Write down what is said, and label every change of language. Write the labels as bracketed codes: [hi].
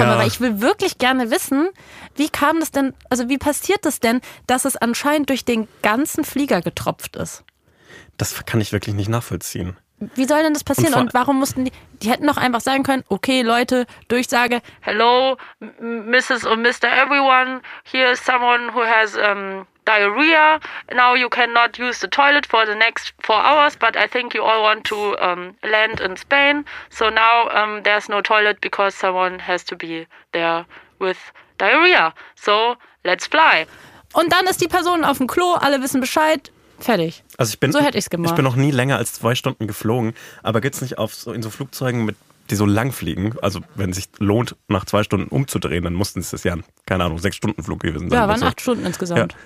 [de] Ja. Weil ich will wirklich gerne wissen, wie kam das denn, also wie passiert das denn, dass es anscheinend durch den ganzen Flieger getropft ist? Das kann ich wirklich nicht nachvollziehen. Wie soll denn das passieren und warum mussten die, die hätten doch einfach sagen können, okay Leute, Durchsage, [en] hello Mrs. and Mr. Everyone, here is someone who has diarrhea, now you cannot use the toilet for the next 4 hours, but I think you all want to land in Spain, so now there's no toilet because someone has to be there with diarrhea, so let's fly. [de] Und dann ist die Person auf dem Klo, alle wissen Bescheid. Fertig. Also ich bin, so hätte ich es gemacht. Ich bin noch nie länger als 2 Stunden geflogen, aber geht es nicht auf so, in so Flugzeugen, mit, die so lang fliegen? Also wenn es sich lohnt, nach 2 Stunden umzudrehen, dann mussten es ja, keine Ahnung, 6-Stunden-Flug gewesen sein. Ja, waren 8 Stunden insgesamt. Ja,